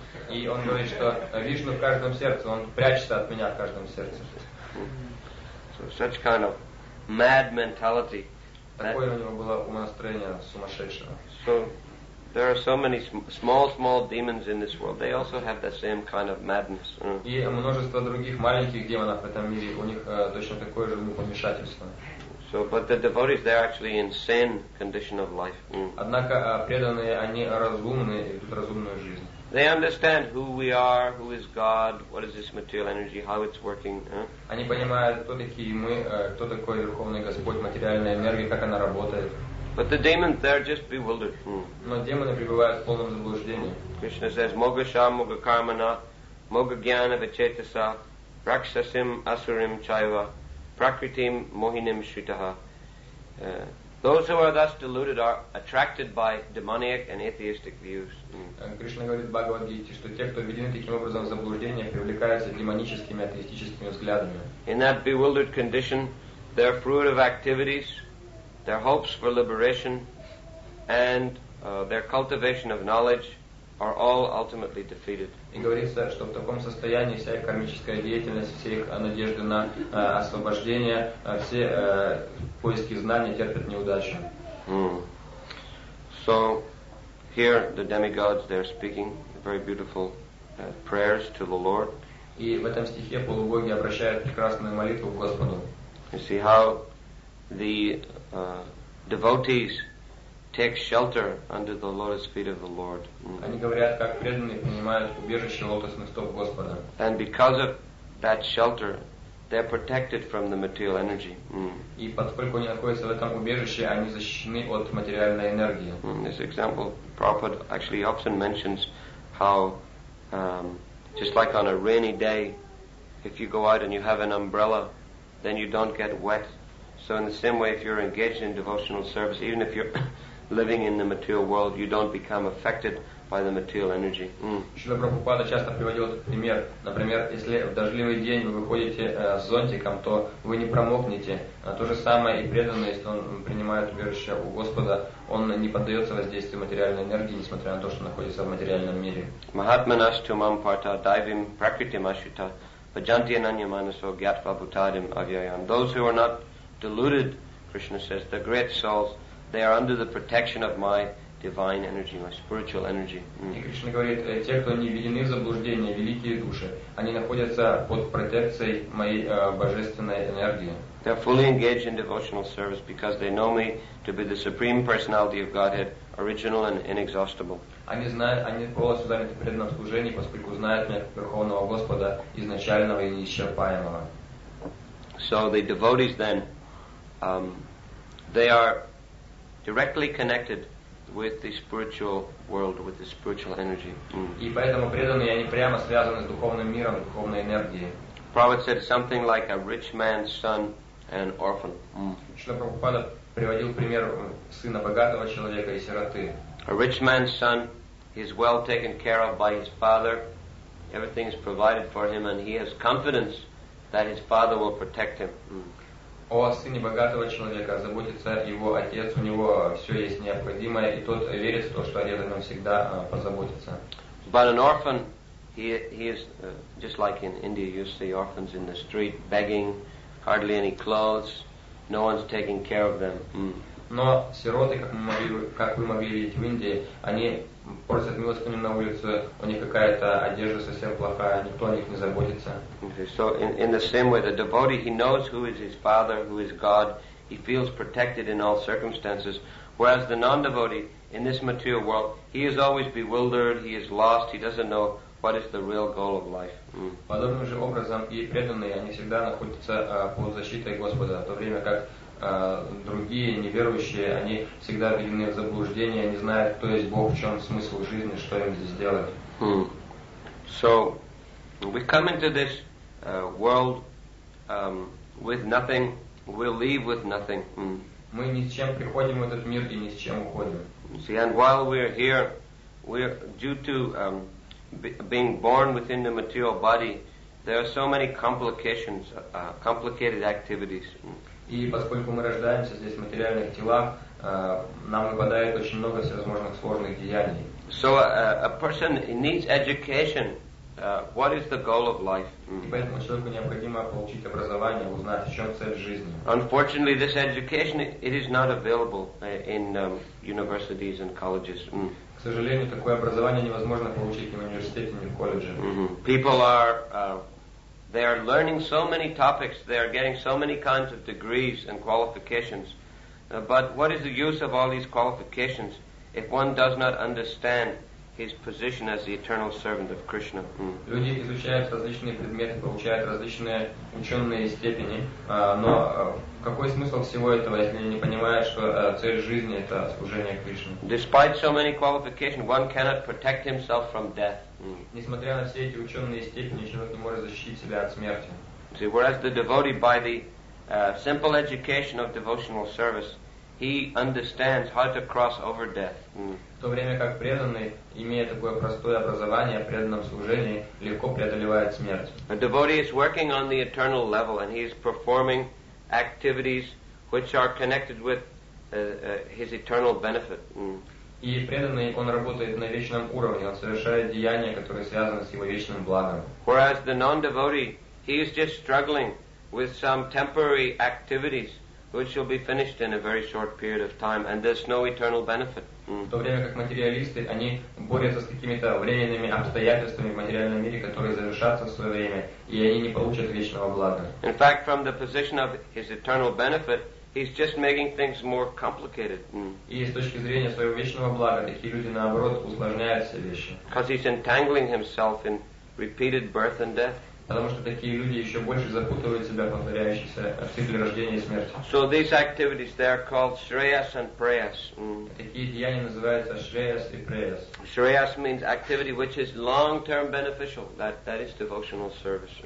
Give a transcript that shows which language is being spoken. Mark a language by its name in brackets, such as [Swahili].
[Russian] И он говорит, что Вишну в каждом сердце, он прячется от меня в каждом сердце. [English] Such kind of mad mentality. [Russian] Такое у него было умонастроение сумасшедшего. [English] So there are so many small demons in this world. They also have the same kind of madness. [Russian] И множество других маленьких демонов в этом мире, у них точно такое же умопомешательство. [English] So, but the devotees, they're actually in sane condition of life. [Russian] Однако преданные, они разумны, ведут разумную жизнь. [English] They understand who we are, who is God, what is this material energy, how it's working. [Russian] Они понимают, кто такие мы, кто такой Верховный Господь, материальная энергия, как она работает. [English] But the demons, they're just bewildered. [Russian] Но демоны пребывают в полном заблуждении. [Sanskrit] Krishna says, Mogasham, Mogakarmana, Mogagyana, Vichetasa, Rakshasim, Asurim, Chaiva, Prakritim, Mohinim, Shritaha. [English] Those who are thus deluded are attracted by demoniac and atheistic views. [Russian] Кришна говорит Бхагавад-гите, что те, кто введены таким образом в заблуждение, привлекаются демоническими и атеистическими взглядами. [English] In that bewildered condition, their fruit of activities, their hopes for liberation, and their cultivation of knowledge are all ultimately defeated. [Russian] И говорится, что в таком состоянии вся их кармическая деятельность, все их надежды на освобождение, все поиски знаний терпят неудачу. [English] So here the demigods, they're speaking very beautiful prayers to the Lord. [Russian] И в этом стихе полубоги обращают прекрасную молитву к Господу. [English] You see how the devotees take shelter under the lotus feet of the Lord. [Russian] Они говорят, как преданные принимают убежище лотосных стоп Господа. [English] And because of that shelter, they're protected from the material energy. [Russian] И поскольку они находятся в этом убежище, они защищены от материальной энергии. [English] This example, Prabhupada actually often mentions how, just like on a rainy day, if you go out and you have an umbrella, then you don't get wet. So in the same way, if you're engaged in devotional service, even if you're living in the material world, you don't become affected by the material energy. [Russian] Шрила Прабхупада часто приводил этот пример. Например, если в дождливый день вы выходите с зонтиком, то вы не промокнете. То же самое и преданный, если он принимает убежище у Господа, он не поддается воздействию материальной энергии, несмотря на то, что находится в материальном мире. [Sanskrit] Махатманаштумам парта дайвим пракритим ашита паджанти ананьяманасо гьятва бутадим авьяян. [English] Those who are not deluded, Krishna says, the great souls, they are under the protection of my divine energy, my spiritual energy. [Russian] И Кришна говорит, те, кто не введены в заблуждение, великие души, они находятся под протекцией моей божественной энергии. [English] They are fully engaged in devotional service because they know me to be the Supreme Personality of Godhead, original and inexhaustible. [Russian] Они знают, они полностью заняты преданным служением, поскольку знают меня как Верховного Господа, изначального и неисчерпаемого. [English] So the devotees then, they are directly connected with the spiritual world, with the spiritual energy. [Russian] И поэтому преданные, они прямо связаны с духовным миром, духовной энергией. [English] Prabhupada said something like a rich man's son and orphan. [Russian] Шрила Прабхупада приводил пример сына богатого человека и сироты. [English] A rich man's son, he's well taken care of by his father. Everything is provided for him and he has confidence that his father will protect him. [Russian] О сыне богатого человека заботится его отец, у него все есть необходимое, и тот верит в то, что отец о нем всегда позаботится. [English] But an orphan, he is just like in India, you see orphans in the street begging, hardly any clothes, no one's taking care of them. [Russian] Но сироты, как вы могли видеть в Индии, они просят милостыню на улице, у них какая-то одежда совсем плохая, никто о них не заботится. [English] Okay, so in the same way, the devotee, he knows who is his father, who is God, he feels protected in all circumstances, whereas the non-devotee, in this material world, he is always bewildered, he is lost, he doesn't know what is the real goal of life. [Russian] Подобным же образом и преданные, они всегда находятся под защитой Господа, в то время как другие неверующие, они всегда введены в заблуждение, не знают, кто есть Бог, в чем смысл жизни, что им здесь делать. [English] So we come into this world with nothing, we leave with nothing. [Russian] Мы ни с чем приходим в этот мир и ни с чем уходим. [English] See, and while we're here, we're due to being born within the material body, there are so many complications, complicated activities. [Russian] И поскольку мы рождаемся здесь в материальных телах, нам выпадает очень много всевозможных сложных деяний. [English] So a person needs education. What is the goal of life? [Russian] И поэтому человеку необходимо получить образование, узнать, в чем цель жизни. [English] Unfortunately, this education it is not available in universities and colleges. [Russian] К сожалению, такое образование невозможно получить ни в университете, ни в колледже. [English] People are they are learning so many topics, they are getting so many kinds of degrees and qualifications. But what is the use of all these qualifications if one does not understand his position as the eternal servant of Krishna? [Russian] Люди изучают различные предметы, получают различные ученые степени, но какой смысл всего этого, если они не понимают, что цель жизни это служение Кришне? [English] Despite so many qualifications, one cannot protect himself from death. [Russian] Несмотря на все эти ученые степени, человек не может защитить себя от смерти. [English] See, whereas the devotee, by the simple education of devotional service, he understands how to cross over death. [Russian] В то время как преданный, имея такое простое образование в преданном служении, легко преодолевает смерть. [English] A devotee is working on the eternal level and he is performing activities which are connected with his eternal benefit. [Russian] И преданный, он работает на вечном уровне, он совершает деяния, которые связаны с его вечным благом. [English] Whereas the non-devotee, he is just struggling with some temporary activities which will be finished in a very short period of time and there's no eternal benefit. [Russian] В то время как материалисты, они борются с какими-то временными обстоятельствами в материальном мире, которые завершатся в свое время, и они не получат вечного блага. [English] In fact, from the position of his eternal benefit, he's just making things more complicated. [Russian] И с точки зрения своего вечного блага, такие люди, наоборот, усложняют все вещи. [English] Because he's entangling himself in repeated birth and death. [Russian] Потому что такие люди еще больше запутывают себя в повторяющихся цикле рождения и смерти. [English] So these activities, they are called shreyas and preyas. [Russian] Такие деяния называются shreyas и preyas. [English] Shreyas means activity which is long-term beneficial. That is devotional service.